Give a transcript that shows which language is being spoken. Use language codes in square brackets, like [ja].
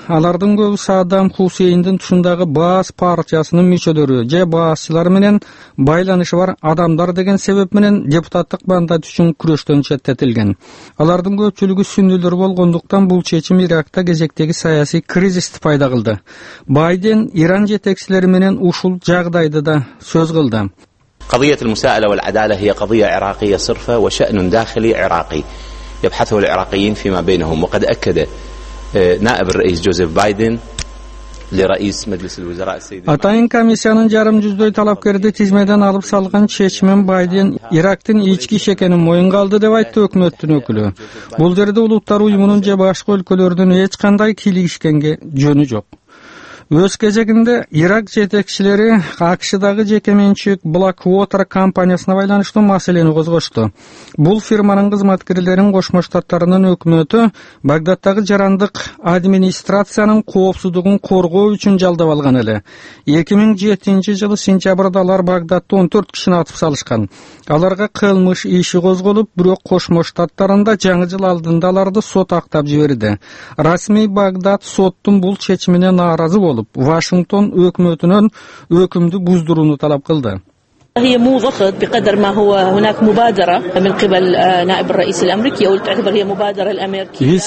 [ky] Алардын көбү Саддам Хусейндин тушундагы БААС партиясынын мүчөлөрү же БААСчылар менен байланышы бар адамдар деген себеп менен депутаттык мандат үчүн күрөштөн четтетилген. Алардын көпчүлүгү сүннүлөр болгондуктан бул чечим Иракта кезектеги саясий кризисти пайда кылды. Байден Иран жетекчилери менен ушул жагдайды да сөз кылды. [ar] قضية المساءلة والعدالة هي قضية عراقية صرفة وشأن داخلي عراقي يبحثه العراقيين فيما بينهم وقد أكد نائب الرئيس جوزيف بايدن لرئيس مجلس الوزراء السيد [ky] Атайын комиссиянын жарым жүздөй талапкерди тизмеден алып салган чечимин Байден Ирактын ички иши экенин моюнга алды деп айтты өкмөттүн өкүлү. Бул жерде улуттар уюмунун же башка өлкөлөрдүн эч кандай кийлигишкенге жөнү жок. Өз кезегинде Ирак жетекчилери АКШ-дагы жекеменчик Blackwater компаниясына байланыштуу маселени козгошту. Бул фирманын кызматкерлерин Кошмо Штаттарынын өкмөтү Багдаддагы жарандык администрациянын коопсуздугун коргоо үчүн жалдап алган эле. 2007-жылы сентябрда алар Багдадда 14 кишини атып салышкан. Аларга кылмыш иши козголуп, бирок Кошмо Штаттарында жаңы жыл алдында аларды сот актап жиберди. Расмий Багдад соттун бул чечимине нааразы болуп, Вашингтон өкмөтүнөн өкүмдү буздурууну талап кылды. [ar] هي مو ضغط بقدر ما هو هناك مبادرة من قبل نائب الرئيس الأمريكي أو تعتبر هي مبادرة الأمريكية.